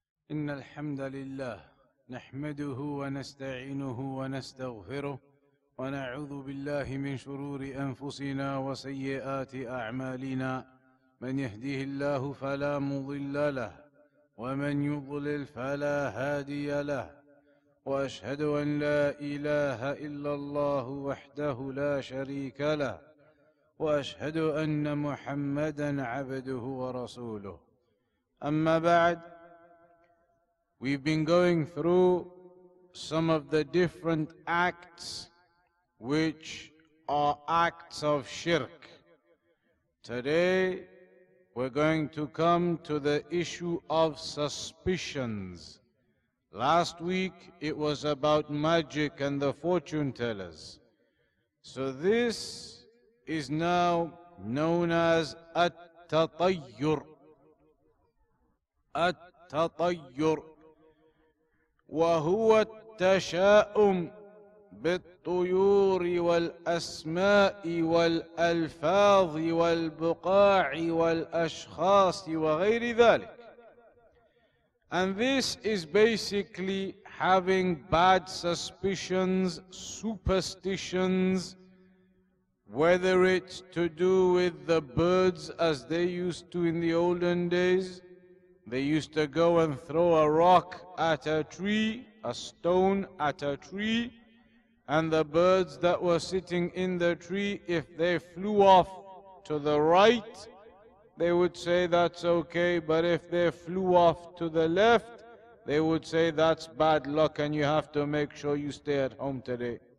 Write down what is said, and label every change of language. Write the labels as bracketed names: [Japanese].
[Arabic] إن الحمد لله نحمده ونستعينه ونستغفره ونعوذ بالله من شرور أنفسنا وسيئات أعمالنا، من يهديه الله فلا مضل له ومن يضلل فلا هادي له، وأشهد أن لا إله إلا الله وحده لا شريك له، وأشهد أن محمدا عبده ورسوله. أما بعد، [English] we've been going through some of the different acts which are acts of shirk. Today, we're going to come to the issue of suspicions. Last week, it was about magic and the fortune tellers. So this is now known as at-tatayyur. At-tatayyur. [Arabic] وهو التشاؤم بالطيور والأسماء والألفاظ والبقاع والأشخاص وغير ذلك. [English] And this is basically having bad suspicions, superstitions, whether it's to do with the birds as they used to in the olden days. They used to go and throw a rock at a tree, a stone at a tree, and the birds that were sitting in the tree, if they flew off to the right, they would say that's okay, but if they flew off to the left, they would say that's bad luck and you have to make sure you stay at home today.